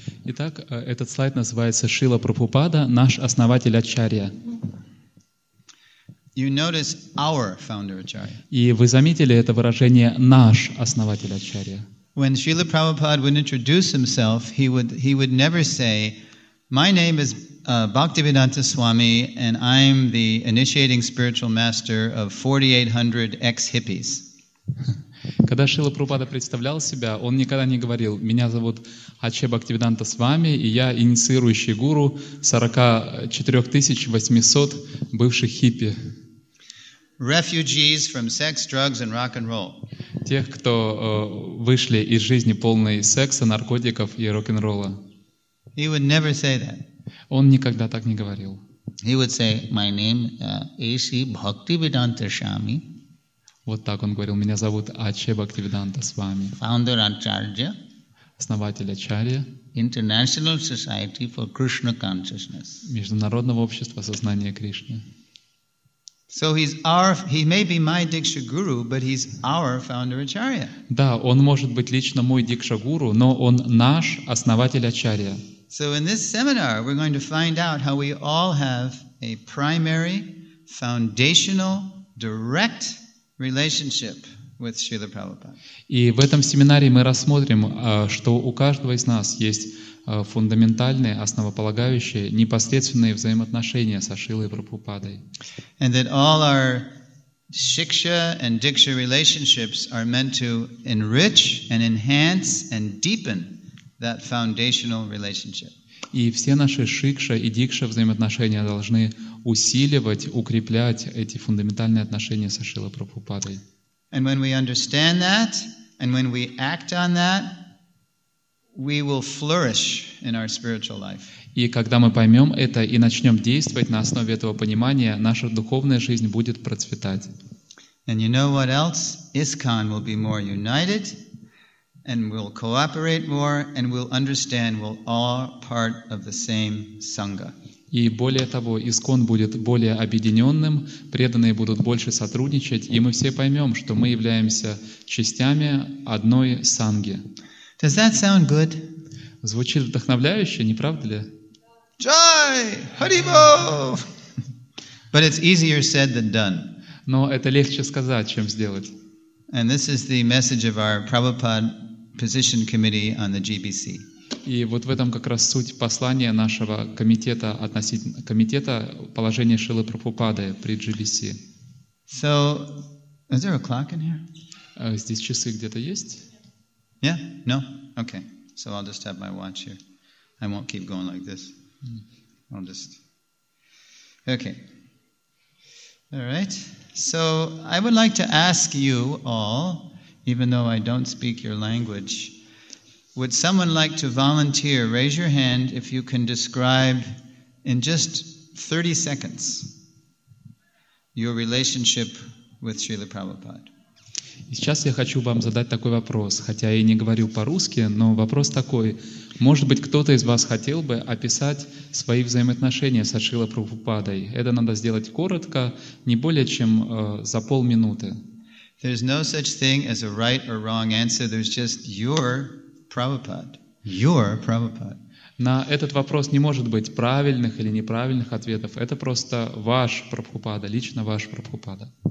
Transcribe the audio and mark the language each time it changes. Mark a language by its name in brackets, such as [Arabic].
[Russian] Итак, этот слайд называется Шрила Прабхупада, наш основатель Ачарья. [English] You notice our founder Acharya. [Russian] И вы заметили это выражение наш основатель Ачарья. [English] When Srila Prabhupada would introduce himself, he would never say, "My name is Bhaktivedanta Swami, and I'm the initiating spiritual master of 4,800 ex-hippies." [Russian] Когда Шрила Прабхупада представлял себя, он никогда не говорил: "Меня зовут Ачхе Бхактивиданта Свами, и я инициирующий гуру 44,800 бывших хиппи." [English] Refugees from sex, drugs, and rock and roll. [Russian] Тех, кто вышли из жизни полной секса, наркотиков и рок-н-ролла. [English] He would never say that. [Russian] Он никогда так не говорил. [English] He would say, "My name is Bhaktivedanta Swami." [Russian] Вот так он говорил: "Меня зовут Ачхе Бхактивиданта Свами." [English] Founder Acharya. [Russian] Основатель Ачарья. [English] International Society for Krishna Consciousness. [Russian] Международного общества сознания Кришны. [English] So he's our. He may be my Diksha Guru, but he's our founder Acharya. [Russian] Да, он может быть лично мой Дикша Гуру, но он наш основатель Ачарья. [English] So in this seminar, we're going to find out how we all have a primary, foundational, direct relationship with Srila Prabhupada. [Russian] И в этом семинаре мы рассмотрим, что у каждого из нас есть фундаментальные, основополагающие, непосредственные взаимоотношения со Шрилой Прабхупадой. [English] And that all our Shiksha and Diksha relationships are meant to enrich and enhance and deepen that foundational relationship. [Russian] И все наши шикша и дикша взаимоотношения должны усиливать, укреплять эти фундаментальные отношения со Шрилой Прабхупадой. [English] And when we understand that, and when we act on that, we will flourish in our spiritual life. [Russian] И когда мы поймем это и начнем действовать на основе этого понимания, наша духовная жизнь будет процветать. [English] And you know what else? ISKCON will be more united, and we'll cooperate more, and we'll understand we're all part of the same Sangha. [Russian] И более того, ИСККОН будет более объединенным, преданные будут больше сотрудничать, и мы все поймем, что мы являемся частями одной Санги. [English] Does that sound good? [Russian] Звучит вдохновляюще, не правда ли? Jai! Haribo! [English] But it's easier said than done. [Russian] Но это легче сказать, чем сделать. [English] And this is the message of our Prabhupada Position Committee on the GBC. [Russian] И вот в этом как раз суть послания нашего комитета относительно комитета положения Шрилы Прабхупады при GBC. [English] So, is there a clock in here? [Russian] Здесь часы где-то есть? [English] Yeah? No? Okay. So I'll just have my watch here. I won't keep going like this. I'll just... Okay. All right. So, I would like to ask you all, even though I don't speak your language, would someone like to volunteer? Raise your hand if you can describe in just 30 seconds your relationship with Srila Prabhupada. [Russian] И сейчас я хочу вам задать такой вопрос, хотя я и не говорю по-русски, но вопрос такой. Может быть, кто-то из вас хотел бы описать свои взаимоотношения со Шрилой Прабхупадой? Это надо сделать коротко, не более чем за полминуты. [English] There's no such thing as a right or wrong answer. There's just your Prabhupada. Your Prabhupada. [Russian] На этот вопрос не может быть правильных или неправильных ответов. Это просто ваш Прабхупада, лично ваш Прабхупада.